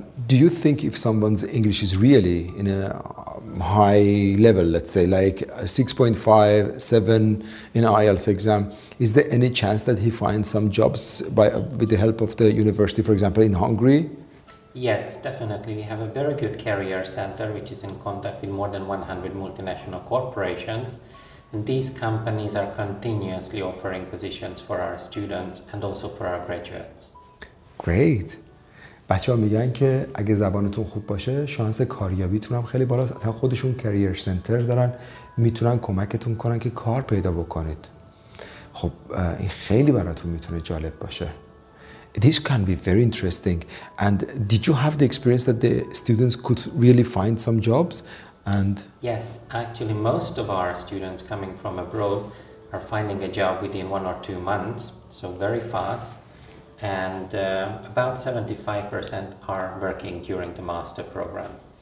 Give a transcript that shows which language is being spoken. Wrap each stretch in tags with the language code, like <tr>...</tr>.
<en>Do you think if someone's English is really in a high level, let's say like 6.5, 7 in IELTS exam, is there any chance that he finds some jobs with the help of the university, for example, in Hungary? Yes, definitely. We have a very good career center which is in contact with more than 100 multinational corporations. And these companies are continuously offering positions for our students and also for our graduates. Great.</en> <fa>بچه‌ها میگن که اگه زبانتون خوب باشه شانس کاریابیتون هم خیلی بالاست. حتی خودشون کریر سنتر دارن، میتونن کمکتون کنن که کار پیدا بکنید. خب این خیلی براتون میتونه جالب باشه.</fa> <en>This can be very interesting. And did you have the experience that the students could really find some jobs? And yes, actually most of our students coming from abroad are finding a job within 1 or 2 months, so very fast, and about 75% are working during the master program.</en>